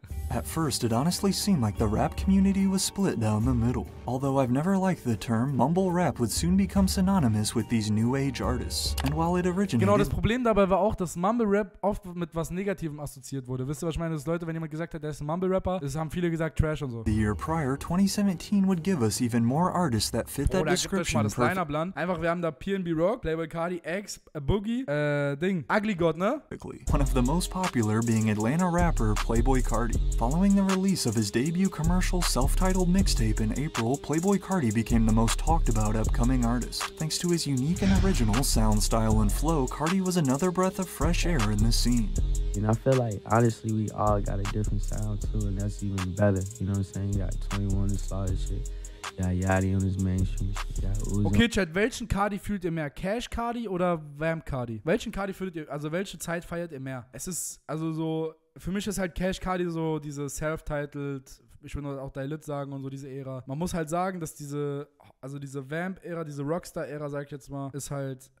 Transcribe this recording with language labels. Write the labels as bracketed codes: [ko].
[en] At first, it honestly seemed like the rap community was split down the middle. Although I've never liked the term, mumble rap would soon become synonymous with these new age artists. And while it originated... [de] Genau, das Problem dabei war auch, dass Mumble Rap oft mit was Negativem assoziiert wurde. Wisst ihr, was ich meine? Das Leute, wenn jemand gesagt hat, der ist ein Mumble Rapper, das haben viele gesagt, Trash und so. [en] The year prior, 2017 would give us even more artists that fit that description. [de] Oh, da gibt es mal das Line-Up-Land. Einfach, wir haben da P&B Rock, Playboy Cardi, X, Boogie, Ding, Ugly God, ne? [en] One of the most popular being Atlanta rapper Playboy Cardi. Following the release of his debut commercial self-titled mixtape in April, Playboy Cardi became the most talked about upcoming artist. Thanks to his unique and original sound style and flow, Cardi was another breath of fresh air in the scene. You know, I feel like, honestly, we all got a different sound too, and that's even better. You know what I'm saying? You got 21 and solid shit. Yeah, Yachty on his main shoes. Yeah, [de] okay, Chad, welchen Cardi fühlt ihr mehr? Cash Cardi oder Vamp Cardi? Welchen Cardi fühlt ihr, also welche Zeit feiert ihr mehr? Es ist, also so, für mich ist halt Cash Cardi so diese self-titled, ich würde auch Die Lit sagen und so diese Ära. Man muss halt sagen, dass diese, also diese Vamp-Ära, diese Rockstar-Ära, sag ich jetzt mal, ist halt...